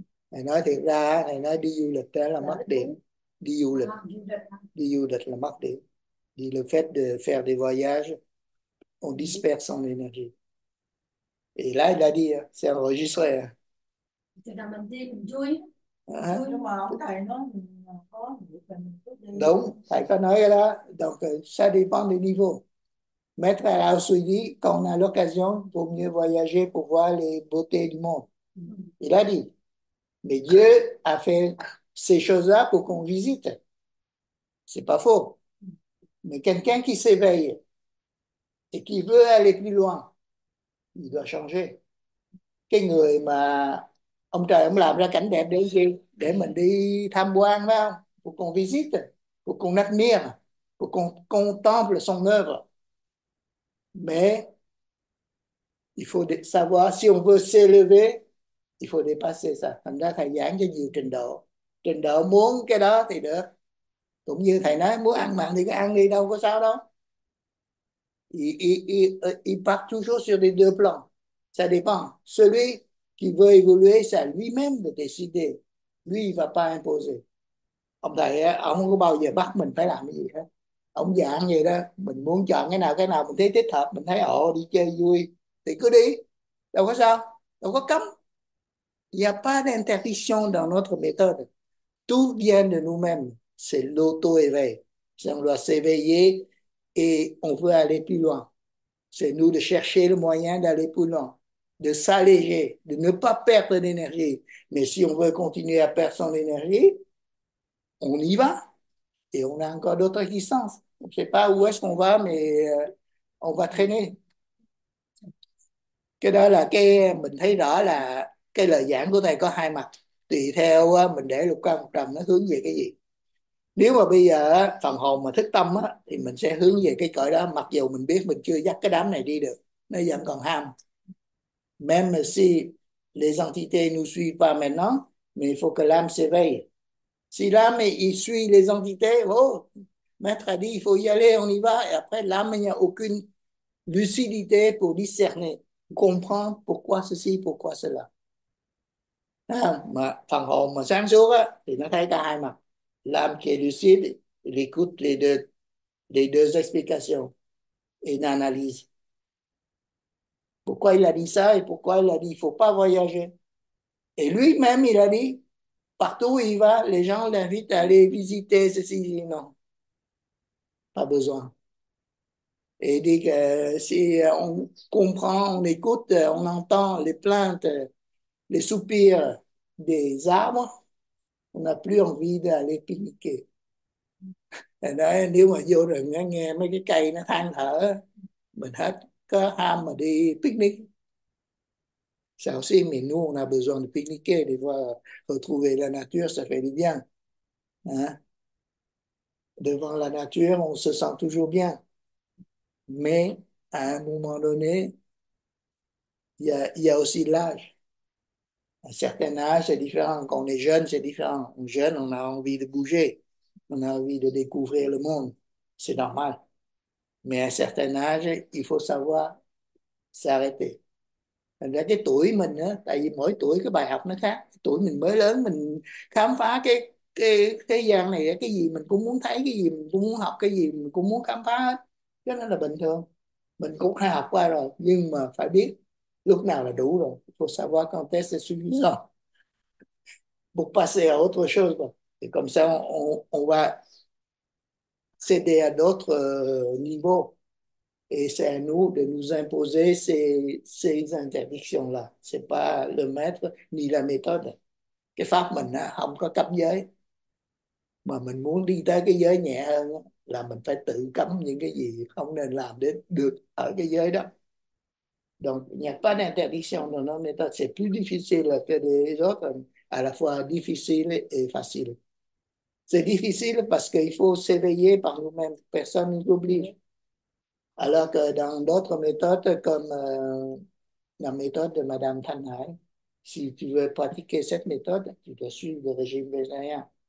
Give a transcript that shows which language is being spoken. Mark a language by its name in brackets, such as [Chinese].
[Vietnamese] Này nói thiệt ra, này nói đi du lịch là mất điểm, đi du lịch là mất điểm, đi [French] le fait de faire des voyages on disperse son énergie. Et là il a dit, c'est enregistré. C'est dans ma tête, Joy. Hein? Joy, moi, en taille, non, mais encore, [Vietnamese] Đúng, phải có nói là [French] donc ça dépend du niveau. Maître Rao Sui dit qu'on a l'occasion pour mieux voyager, pour voir les beautés du monde. Il a dit, mais Dieu a fait ces choses-là pour qu'on visite. C'est pas faux. Mais quelqu'un qui s'éveille et qui veut aller plus loin, il doit changer. [Vietnamese] Cái người mà ông trời ông làm ra cảnh đẹp để gì? Để mình đi tham quan phải không? [French] Pour qu'on visite, pour qu'on admire, pour qu'on contemple son œuvre. Mais il faut savoir si on veut s'élever, il faut dépasser ça. [Vietnamese] Thành ra thầy giảng cho nhiều trình độ. Trình độ muốn cái đó thì được. Cũng như thầy nói muốn ăn mặn thì cứ ăn đi, đâu có sao đâu. [French] Il part toujours sur les deux plans. Ça dépend. Celui qui veut évoluer, c'est à lui-même de décider. Lui, il va pas imposer. [Vietnamese] Ông thầy, ông không có bao giờ bắt mình phải làm cái gì hết. Ông dạng vậy đó, mình muốn chọn cái nào mình thấy thích hợp, mình thấy ổ đi chơi vui thì cứ đi, đâu có sao, đâu có cấm. [French] Il n'y a pas d'interdiction dans notre méthode. Tout vient de nous-mêmes. C'est l'auto-éveil. On doit s'éveiller et on veut aller plus loin. C'est nous de chercher le moyen d'aller plus loin, de s'alléger, de ne pas perdre d'énergie. Mais si on veut continuer à perdre son énergie, on y va. Et on a encore d'autres existences. On ne sait pas où est-ce qu'on va, mais on va traîner. [Vietnamese] Cái đó là cái mình thấy rõ là cái lời giảng của thầy có hai mặt, tùy theo mình để lục căn lục trần nó hướng về cái gì. Nếu mà bây giờ phần hồn mà thức tâm á, thì mình sẽ hướng về cái cõi đó, mặc dù mình biết mình chưa dắt cái đám này đi được, nó vẫn còn ham. [French] Même si les entités nous suivent pas maintenant, mais il faut que l'âme s'éveille. Si l'âme il suit les entités, oh, maître a dit il faut y aller, on y va, et après l'âme n'y a aucune lucidité pour discerner, comprendre pourquoi ceci, pourquoi cela. [Vietnamese] À, mà phần hồn mà sáng suốt á thì nó thấy cả hai mặt, [French] l'âme qui est lucide, il écoute les deux explications et l'analyse. Pourquoi il a dit ça et pourquoi il a dit il faut pas voyager. Et lui-même il a dit partout où il va, les gens l'invitent à aller visiter ceci. Non, pas besoin. Et il dit que si on comprend, on écoute, on entend les plaintes, les soupirs des arbres, on n'a plus envie d'aller pique-niquer. [Vietnamese] Nếu mà vô rừng nghe mấy cái cây nó than thở, mình hết có ham mà đi pique-nique. [French] Ça aussi, mais nous, on a besoin de pique-niquer, de voir, retrouver la nature, ça fait du bien. Hein? Devant la nature, on se sent toujours bien. Mais à un moment donné, il y a aussi l'âge. Un certain âge, c'est différent. Quand on est jeune, c'est différent. On est jeune, on a envie de bouger. On a envie de découvrir le monde. C'est normal. Mais à un certain âge, il faut savoir s'arrêter. [Vietnamese] Thành ra cái tuổi mình á, tại vì mỗi tuổi cái bài học nó khác. Tuổi mình mới lớn, mình khám phá cái thế gian này, cái gì mình cũng muốn thấy, cái gì mình cũng muốn học, cái gì mình cũng muốn khám phá hết. Cho nên là bình thường. Mình cũng hay học qua rồi, nhưng mà phải biết lúc nào là đủ rồi. [French] Faut savoir quand est-ce que c'est suffisant. Pour passer à autre chose. [Vietnamese] Rồi. [French] Et comme ça, on va céder à d'autres niveaux. Et c'est à nous de nous imposer ces interdictions-là. Ce n'est pas le maître ni la méthode. [Vietnamese] Cái pháp mình không có cấm giới. Mà mình muốn đi tới cái giới nhẹ hơn là mình phải tự cấm những cái gì không nên làm để được ở cái giới đó. [French] Donc, il n'y a pas d'interdiction dans notre méthode. C'est plus difficile que les autres, à la fois difficile et facile. C'est difficile parce qu'il faut s'éveiller par nous-mêmes. Personne ne nous oblige. Alors que dans d'autres méthodes, comme la méthode de Madame Tanhai, si tu veux pratiquer cette méthode, tu dois suivre le régime végétarien.